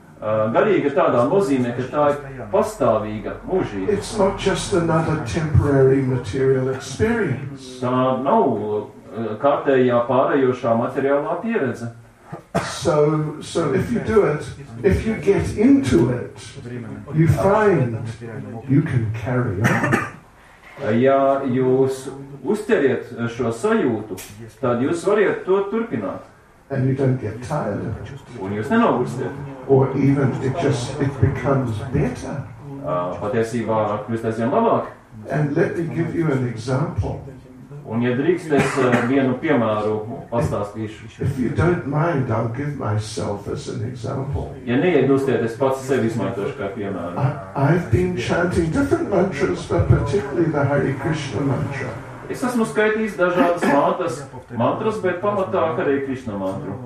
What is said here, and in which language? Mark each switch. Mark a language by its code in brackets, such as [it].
[lv] Garīga tādā nozīmē, ka tā ir pastāvīga, mūžīga. [en] It's not just another temporary material experience. [lv] Tā nav kārtējā pārējošā materiālā pieredze. [en] So if you do it, if you get into it, you find you can carry on. [lv] Ja jūs uzteriet šo sajūtu, tad jūs variet to turpināt. [en] And you don't get tired of it. [lv] Un jūs nenogurstiet. [en] Or even it becomes better. [lv] Patiesībā kļūst aizvien labāk. [en] And let me give you an example. [lv] Un ja drīkst, es vienu piemēru pastāstīšu. [en] If you don't mind, I'll give myself as an example. [lv] Ja neiedūstiet, es pats sevi izmantošu kā piemēru. [en] I've been chanting different mantras, but particularly the Hare Krishna mantra. [lv] Es esmu skaitījis dažādas mantras, mantras, bet pamatā arī Krišna mantru.